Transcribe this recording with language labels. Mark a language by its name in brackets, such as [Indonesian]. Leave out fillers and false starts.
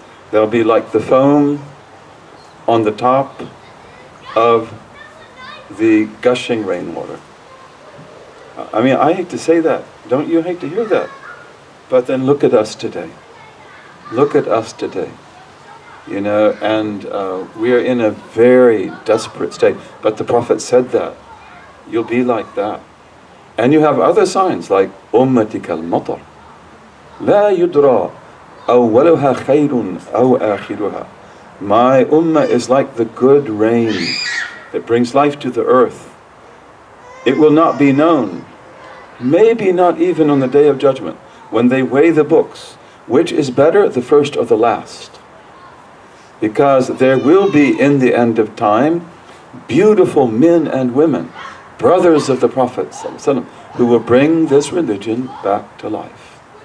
[English] They'll be like the foam on the top of the gushing rainwater. I mean, I hate to say that. Don't you hate to hear that? But then look at us today. Look at us today. You know, and we are in a very desperate state. But the Prophet said that. You'll be like that. And you have other signs like [Arabic] أُمَّتِكَ الْمَطَرِ لَا يُدْرَى أَوَّلُهَا خَيْرٌ أَوْ آخِرُهَا. [English] My ummah is like the good rain that brings life to the earth. It will not be known, maybe not even on the Day of Judgment, when they weigh the books, which is better, the first or the last. Because there will be in the end of time beautiful men and women, brothers of the Prophet ﷺ, who will bring this religion back to life.